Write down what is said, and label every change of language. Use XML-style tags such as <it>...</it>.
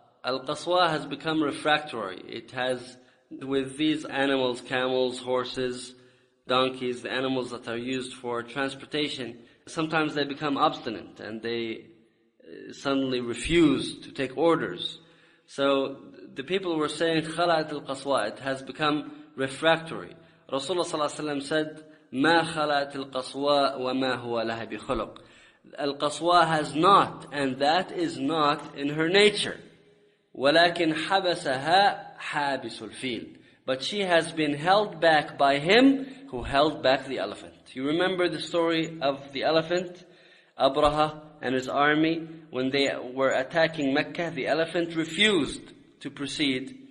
<en>Al-Qaswa has become refractory. It has, with these animals, camels, horses, donkeys, the animals that are used for transportation, sometimes they become obstinate and they suddenly refuse to take orders. So the people were saying,</en> <ar>خَلَأَتْ الْقَصْوَى.</ar> <en>It has become refractory.</en> <ar>Rasulullah صلى الله عليه وسلم said, مَا خَلَأَتْ الْقَصْوَى وَمَا هُوَ لَهَ بِخُلُقٍ.</ar> <en>Al-Qaswa has not, and that is not in her nature.</en> <ar>وَلَكِنْ حَبَسَهَا حَابِسُ الْفِيلِ.</ar> <en>But she has been held back by him who held back the elephant. You remember the story of the elephant, Abraha and his army, when they were attacking Mecca, the elephant refused to proceed.</en>